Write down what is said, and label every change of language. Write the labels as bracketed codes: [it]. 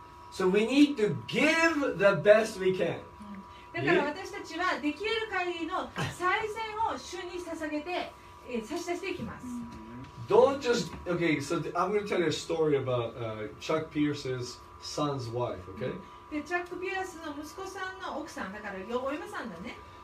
[en] So we need to give the best we can. [ja] だから私たちはできる限りの最善を主に捧げて差し出していきます。 [en] Don't just okay. So I'm going to tell you a story about Chuck Pierce's son's wife. Okay. [ja] で、チャック・ピアスの息子さんの奥さんだからお嫁さんだね。